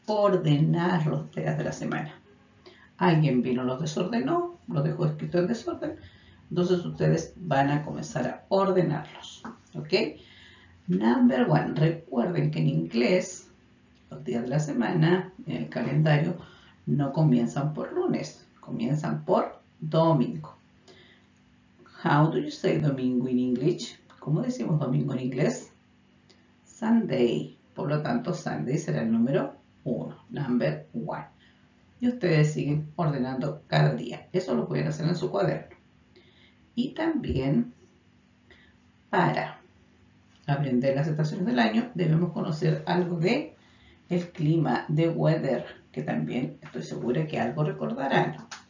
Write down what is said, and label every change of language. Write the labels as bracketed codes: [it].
[es] Ordenar los días de la semana. Alguien vino, los desordenó, los dejó escrito en desorden. Entonces, ustedes van a comenzar a ordenarlos. ¿Ok? [en] Number one. [es] Recuerden que en inglés, los días de la semana, en el calendario, no comienzan por lunes. Comienzan por domingo. [en] How do you say domingo in English? [es] ¿Cómo decimos domingo en inglés? Sunday. Por lo tanto, Sunday será el número uno. [en] Number one. [es] Y ustedes siguen ordenando cada día. Eso lo pueden hacer en su cuaderno. Y también, para aprender las estaciones del año, debemos conocer algo de el clima, de weather, que también estoy segura que algo recordarán.